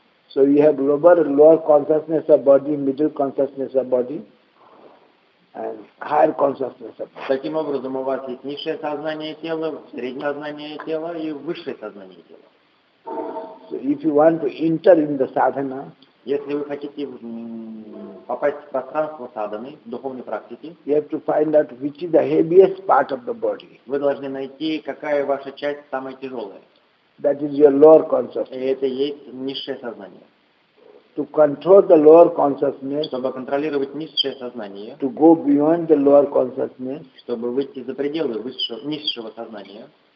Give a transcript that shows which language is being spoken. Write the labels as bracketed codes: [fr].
[en] So you have lower consciousness of body, middle consciousness of body, and higher consciousness of body. [ru] Таким образом, у вас есть низшее сознание тела, среднее сознание тела и высшее сознание тела. [en] So if you want to enter in the sadhana, [ru] если вы хотите попасть в пространство садханы, в духовной практике, [en] you have to find out which is the heaviest part of the body. [ru] Вы должны найти, какая ваша часть самая тяжелая. [en] That is your lower consciousness. [ru] И это есть низшее сознание. [en] To control the lower consciousness, [ru] чтобы контролировать низшее сознание, [en] to go beyond the lower consciousness, [ru] чтобы выйти за пределы низшего сознания,